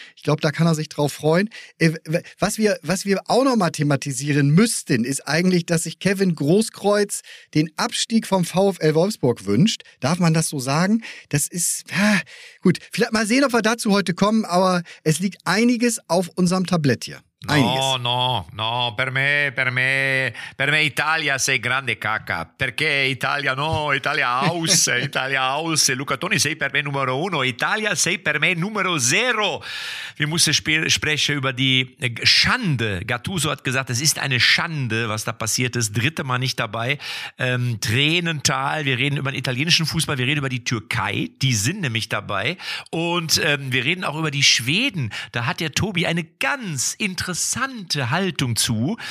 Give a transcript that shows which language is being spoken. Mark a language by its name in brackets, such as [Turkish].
[German] Ich glaube, da kann er sich drauf freuen. Was wir auch noch mal thematisieren müssten, ist eigentlich, dass sich Kevin Großkreuz den Abstieg vom VfL Wolfsburg wünscht. Darf man das so sagen? Das ist, gut, vielleicht mal sehen, ob wir dazu heute kommen, aber es liegt einiges auf unserem Tablett hier. [Italian] No, per me Italia sei grande caca, perché Italia no, Italia aus, Italia aus, Luca Toni sei per me numero uno, Italia sei per me numero zero. [German] Wir müssen sprechen über die Schande. Gattuso hat gesagt, es ist eine Schande, was da passiert ist, dritte Mal nicht dabei. Tränental, wir reden über den italienischen Fußball, wir reden über die Türkei, die sind nämlich dabei. Und wir reden auch über die Schweden, da hat der Tobi eine ganz interessante Haltung zu.